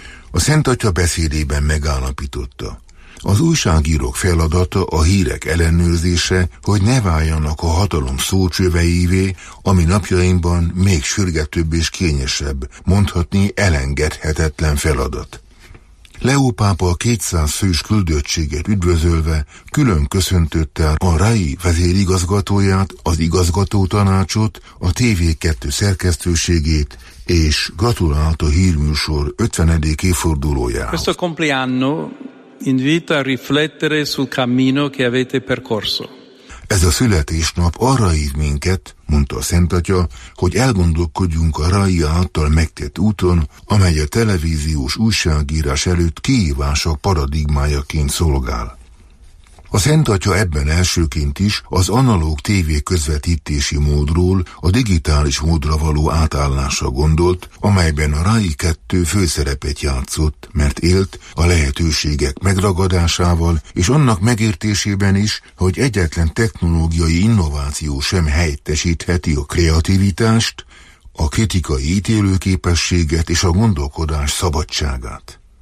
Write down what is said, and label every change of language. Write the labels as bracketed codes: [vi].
[hu] A Szentatya beszédében megállapította: az újságírók feladata a hírek ellenőrzése, hogy ne váljanak a hatalom szócsöveivé, ami napjainkban még sürgetőbb és kényesebb, mondhatni elengedhetetlen feladat. Leó pápa a 200 fős küldöttséget üdvözölve külön köszöntötte a RAI vezérigazgatóját, az igazgatótanácsot, a TV2 szerkesztőségét, és gratulált a hírműsor 50. évfordulójához. [it] Questo compleanno invita a riflettere sul cammino che avete percorso. [hu] Ez a születésnap arra hív minket, mondta a Szentatya, hogy elgondolkodjunk a RAI által megtett úton, amely a televíziós újságírás előtt kihívása paradigmájaként szolgál. A Szentatya ebben elsőként is az analóg tévé közvetítési módról a digitális módra való átállásra gondolt, amelyben a RAI 2 főszerepet játszott, mert élt a lehetőségek megragadásával és annak megértésében is, hogy egyetlen technológiai innováció sem helyettesítheti a kreativitást, a kritikai ítélőképességet és a gondolkodás szabadságát.